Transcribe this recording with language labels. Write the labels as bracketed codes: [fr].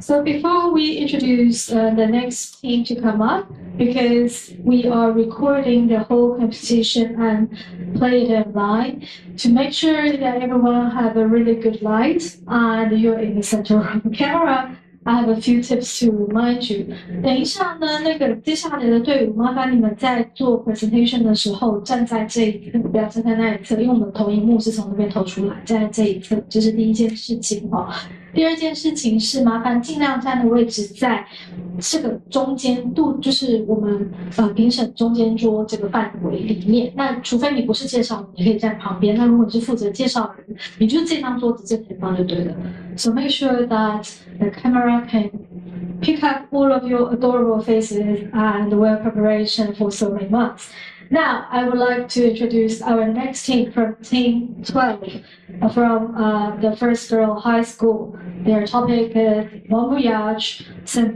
[en] So before we introduce the next team to come up, because we are recording the whole competition and play it online, to make sure that everyone have a really good light and you're in the center of the camera, I have a few tips to remind you. [zh] 等一下呢，那个接下来的队伍，麻烦你们在做 presentation 的时候站在这一侧，不要站在那一侧，因为我们投影幕是从那边投出来，站在这一侧，这是第一件事情哦。第二件事情是麻烦尽量站的位置在这个中间度，就是我们评审中间桌这个范围里面。那除非你不是介绍，你可以站旁边。那如果是负责介绍人，你就这张桌子正前方就对了。 [en] So make sure that the camera can pick up all of your adorable faces and well preparation for so many months. Now I would like to introduce our next team from Team 12. From the first girl high school. Their topic is Bon Voyage, St.